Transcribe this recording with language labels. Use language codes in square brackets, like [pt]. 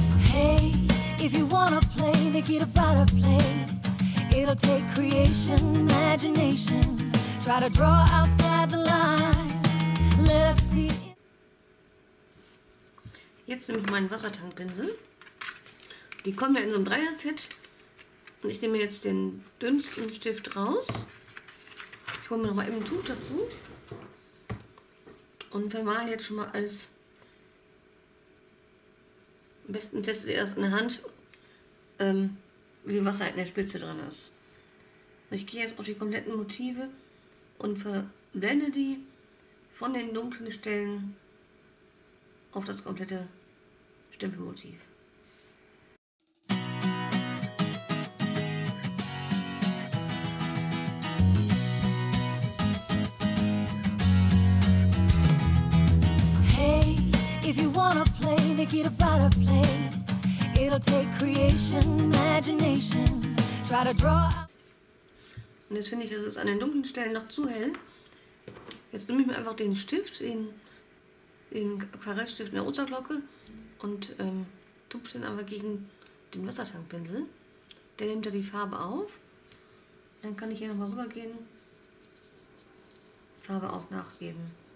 [en] Hey, if you wanna play, make it a better place. It'll take creation, imagination. Try to draw outside the line. Let us see. [de] Jetzt nehme ich meinen Wassertankpinsel. Die kommen ja in so einem Dreier-Set. Und ich nehme jetzt den dünnsten Stift raus. Ich hole mir noch mal eben ein Tuch dazu. Und vermale jetzt schon mal alles. Am besten testet ihr erst in der Hand, wie viel Wasser in der Spitze drin ist. Und ich gehe jetzt auf die kompletten Motive und verblende die von den dunklen Stellen auf das komplette Stempelmotiv. [en] Hey, if you wanna play, make it a better place. It'll take creation, imagination. Try to draw. [de] Und jetzt finde ich, es ist an den dunklen Stellen noch zu hell. Jetzt nehme ich mir einfach den Stift, den Aquarellstift in der Osterglocke und tupft den aber gegen den Wassertankpinsel. Der nimmt ja die Farbe auf. Dann kann ich hier nochmal rübergehen, Farbe auch nachgeben.